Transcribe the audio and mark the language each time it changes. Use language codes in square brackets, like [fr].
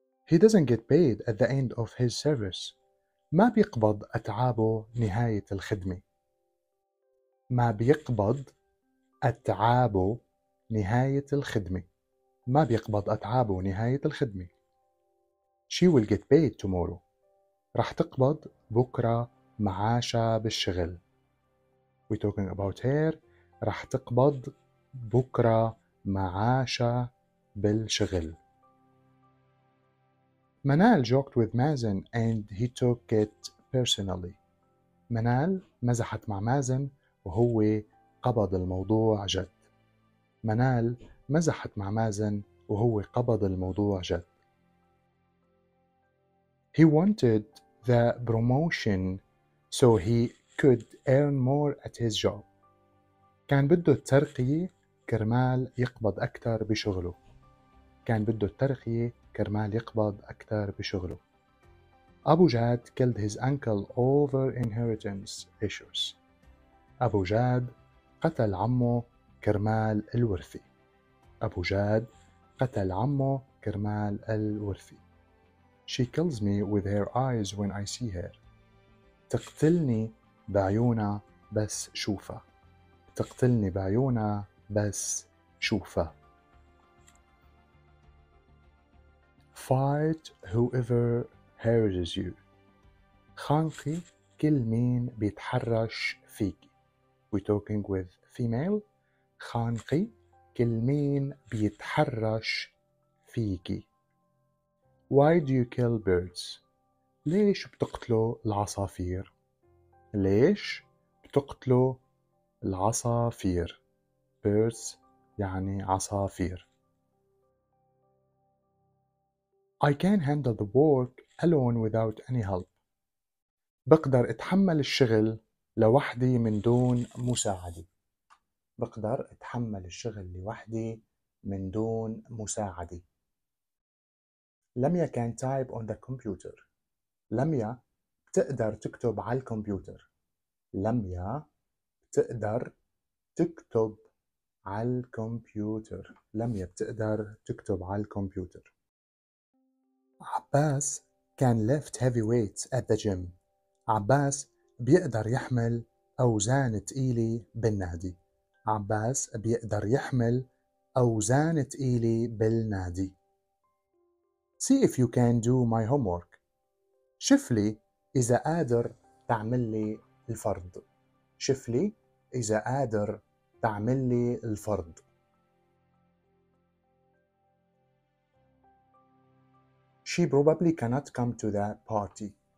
[en] He doesn't get paid at the end of his service. [ar] ما بيقبض أتعابه نهاية الخدمة. ما بيقبض أتعابه نهاية الخدمة. ما بيقبض أتعابه نهاية الخدمة. [en] She will get paid tomorrow. [ar] رح تقبض بكرة معاشها بالشغل. [en] We're talking about her. [ar] رح تقبض بكرة معاشها بالشغل. [en] Manal joked with Mazen and he took it personally. [ar] Manal مزحت مع مازن وهو قبض الموضوع جد. Manal مزحت مع مازن وهو قبض الموضوع جد. [en] He wanted the promotion so he could earn more at his job. [ar] كان بده الترقية كرمال يقبض أكثر بشغله. كان بده الترقية كرمال يقبض أكثر بشغله. [en] Abu Jad killed his uncle over inheritance issues. [ar] أبو جاد قتل عمه كرمال الورثة. أبو جاد قتل عمه كرمال الورثة. [en] She kills me with her eyes when I see her. [ar] تقتلني بعيونها بس شوفها. تقتلني بعيونها بس شوفها. [en] Fight whoever harasses you. [ar] خانقي كل مين بيتحرش فيك. [en] We're talking with female. [ar] خانقي كل مين بيتحرش فيك. [en] Why do you kill birds? [ar] ليش بتقتلوا العصافير؟ ليش بتقتلوا العصافير؟ Birds يعني عصافير. [en] I can handle the work alone without any help. [ar] بقدر اتحمل الشغل لوحدي من دون مساعدة. بقدر اتحمل الشغل لوحدي من دون مساعدة. [en] Lamya can type on the computer. [ar] لميا بتقدر تكتب على الكمبيوتر. لميا بتقدر تكتب على الكمبيوتر. لميا بتقدر تكتب على الكمبيوتر. [en] Abbas can lift heavy weights at the gym. [ar] عباس بيقدر يحمل أوزان تقيلة بالنادي. عباس بيقدر يحمل أوزان تقيلة بالنادي. [en] See if you can do my homework. [ar] شف لي إذا قادر تعمل لي الفرض. شف لي إذا قادر تعمل لي الفرض. [en] She probably cannot come to the party.